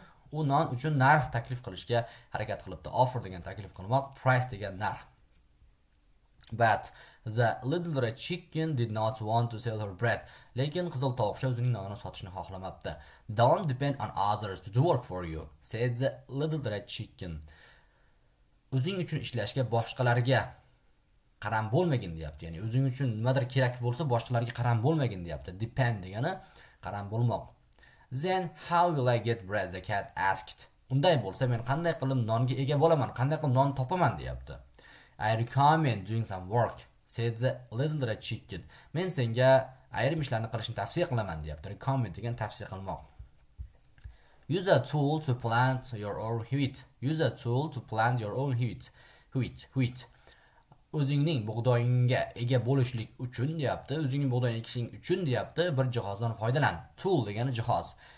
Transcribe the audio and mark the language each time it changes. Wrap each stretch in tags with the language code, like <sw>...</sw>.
<uz>U non uchun narx taklif qilishga harakat qilibdi. Offer degan taklif qilmoq, price degan narx.</uz> <en>But the little red chicken did not want to sell her bread.</en> <uz>Lekin qizil tovuqcha o'zining nonini sotishni xohlamabdi.</uz> <en>Don't depend on others to do work for you, said the little red chicken.</en> <uz>O'zing uchun ishlashga boshqalarga qaram bo'lmagin deyapti. Ya'ni o'zing uchun nimadir kerak bo'lsa boshqalarga qaram bo'lmagin deyapti. Depend degani qaram bo'lmoq.</uz> <en>Then how will I get bread, the cat asked.</en> <uz>Unday bo'lsa men qanday qilib nonga ega bo'laman? Qanday qilib non topaman deyapti.</uz> <en>I recommend doing some work, said the little red chicken.</en> <uz>Men senga ayrim ishlarni qilishni tavsiya qilaman deyapti. Recommend degan tavsiya qilmoq.</uz> <en>Use a tool to plant your own wheat. Use a tool to plant your own wheat.</en> <uz>Wheat, wheat. O'zingning bug'doyingga ega bo'lishlik uchun deyapti. O'zingning bug'doyni ekishing uchun deyapti. Bir jihozdan foydalan. Tool degani jihoz.</uz>